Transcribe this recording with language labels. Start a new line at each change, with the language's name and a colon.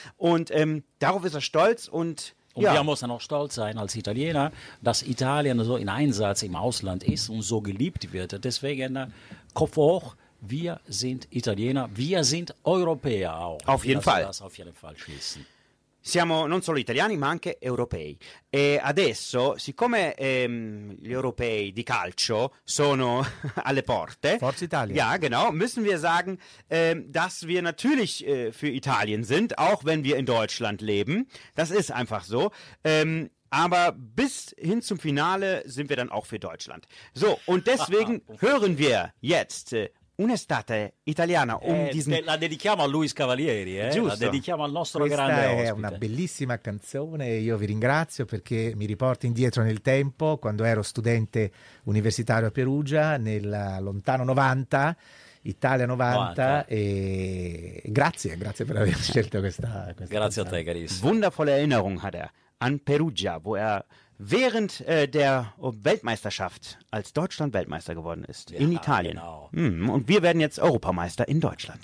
German: Und darauf ist er stolz. Und wir müssen auch stolz sein als Italiener, dass Italien so in Einsatz im Ausland ist und so geliebt wird. Deswegen Kopf hoch. Wir sind Italiener, wir sind Europäer auch. Auf jeden Fall. Das auf jeden Fall schließen.
Italian: Siamo non solo italiani, ma anche europei. E adesso, siccome gli europei di calcio sono alle porte, Forza Italia.
German: Ja, genau, müssen wir sagen, dass wir natürlich für Italien sind, auch wenn wir in Deutschland leben. Das ist einfach so. Aber bis hin zum Finale sind wir dann auch für Deutschland. So, und deswegen hören wir jetzt un'estate italiana,
Italian: la dedichiamo a Luis Cavalieri, giusto. La dedichiamo al nostro Questa grande ospite. È una bellissima canzone, io vi ringrazio perché mi riporta indietro nel tempo, quando ero studente universitario a Perugia, nel lontano 90, Italia 90, e grazie per aver scelto questa grazie canzone. A te, carissimo.
German: Wundervolle Erinnerung hat er an Perugia, wo er während der Weltmeisterschaft, als Deutschland Weltmeister geworden ist, ja, in Italien. Genau. Und wir werden jetzt Europameister in Deutschland.